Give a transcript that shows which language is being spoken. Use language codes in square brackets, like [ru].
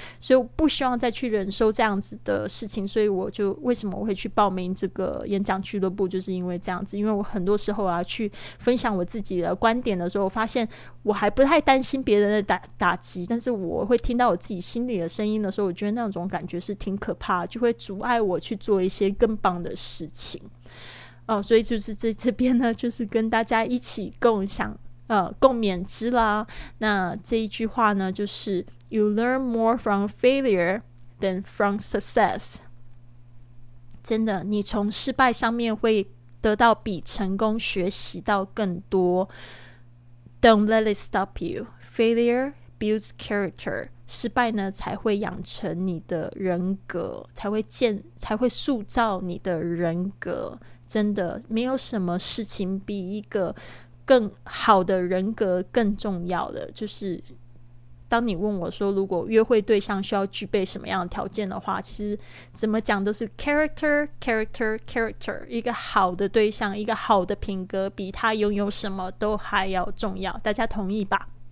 [zh] 所以我不希望再去忍受这样子的事情，所以我就为什么我会去报名这个演讲俱乐部，就是因为这样子，因为我很多时候啊去分享我自己的观点的时候，我发现我还不太担心别人的打击，但是我会听到我自己心里的声音的时候，我觉得那种感觉是挺可怕，就会阻碍我去做一些更棒的事情。所以就是在这边呢，就是跟大家一起共享共勉之啦。那这一句话呢，就是 [en] You learn more from failure than from success. [zh] 真的，你从失败上面会得到比成功学习到更多。 [en] Don't let it stop you. Failure builds character. [zh] 失败呢才会养成你的人格，才会塑造你的人格，真的没有什么事情比一个更好的人格更重要的。就是当你问我说如果约会对象需要具备什么样的条件的话，其实怎么讲都是 [en] character character character, [zh] 一个好的对象，一个好的品格比他拥有什么都还要重要，大家同意吧？